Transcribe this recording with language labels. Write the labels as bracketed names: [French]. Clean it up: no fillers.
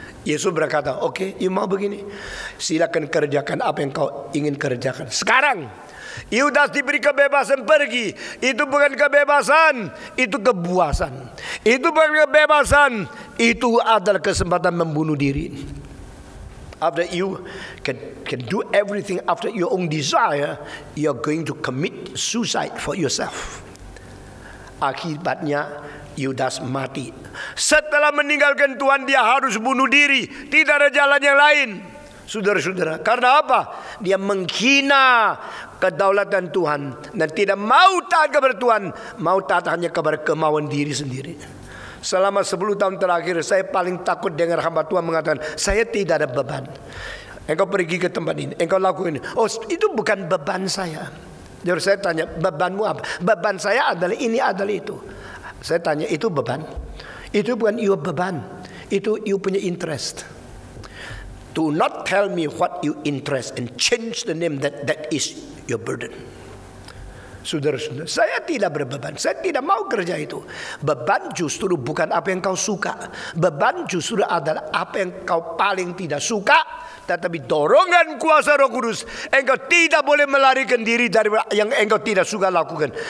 [Indonesian] Yesus berkata, okay, you mau begini? Silakan kerjakan apa yang kau ingin kerjakan. Sekarang, Yudas diberi kebebasan pergi. Itu bukan kebebasan, itu kebuasan. Itu bukan kebebasan, itu adalah kesempatan membunuh diri. [English] After you can do everything after your own desire, you're going to commit suicide for yourself. [Indonesian] Akibatnya Yudas mati. Setelah meninggalkan Tuhan, dia harus bunuh diri. Tidak ada jalan yang lain. Saudara-saudara, karena apa? Dia menghina kedaulatan Tuhan dan tidak mau taat kepada Tuhan, mau taat hanya kepada kemauan diri sendiri. Selama 10 tahun terakhir, saya paling takut dengar hamba Tuhan mengatakan, saya tidak ada beban. Engkau pergi ke tempat ini, engkau lakukan ini. Oh, itu bukan beban saya. Jadi saya tanya, bebanmu apa? Beban saya adalah ini, adalah itu. Saya tanya, itu beban? Itu bukan your beban. Itu you punya interest. [English] Do not tell me what you interest and change the name that is your burden. [Indonesian] Saudara-saudara, saya tidak berbeban. Saya tidak mau kerja itu. Beban justru bukan apa yang kau suka. Beban justru adalah apa yang kau paling tidak suka. Tetapi dorongan kuasa Roh Kudus, engkau tidak boleh melarikan diri dari yang engkau tidak suka lakukan.